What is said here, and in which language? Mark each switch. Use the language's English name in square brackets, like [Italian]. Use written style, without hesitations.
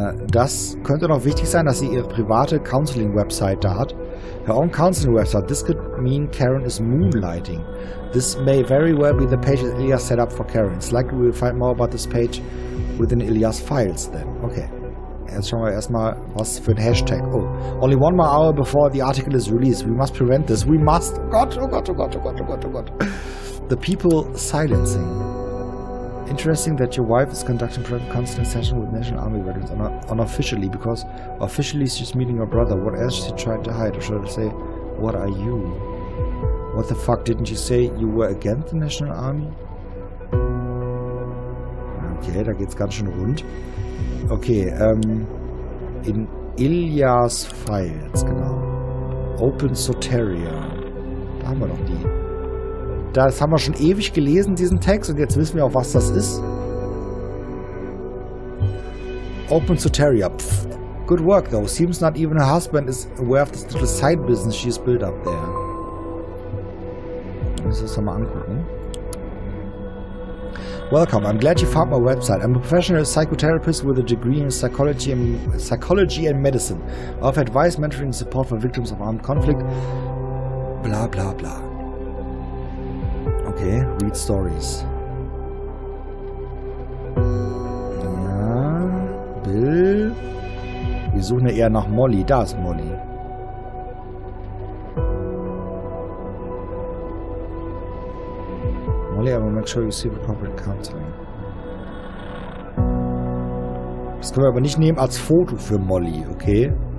[German] Das könnte noch wichtig sein, dass sie ihre private Counseling-Website da hat. [English] Her own Counseling-Website. This could mean Karen is moonlighting. This may very well be the page that Illya set up for Karen. It's likely we will find more about this page within Illya's files then. Okay. [German] Jetzt schauen wir erstmal, was für ein Hashtag. [English] Oh, only one more hour before the article is released. We must prevent this. We must. [German] Oh Gott. [English] The people silencing. Interesting that your wife is conducting private counseling session with National Army veterans unofficially, because officially she's meeting your brother. What else is she trying to hide? Or should I say, what are you? What the fuck, didn't you say you were against the National Army? [German] Okay, da geht's ganz schön rund. Okay, in Illya's Files, genau. Open Soteria. Da haben wir doch die. Das haben wir schon ewig gelesen, diesen Text, und jetzt wissen wir auch, was das ist. [English] Open Soteria. Pff. Good work, though. Seems not even her husband is aware of this little side business she has built up there. [German] Lass uns das mal angucken. [English] Welcome, I'm glad you found my website. I'm a professional psychotherapist with a degree in psychology and medicine. I offer advice, mentoring and support for victims of armed conflict. Bla bla bla. Okay, read stories. [German] Ja, Bill. Wir suchen ja eher nach Molly. Da ist Molly. [English] Molly, I will make sure you see the appropriate counseling. [German] Das können wir aber nicht nehmen als Foto für Molly, okay?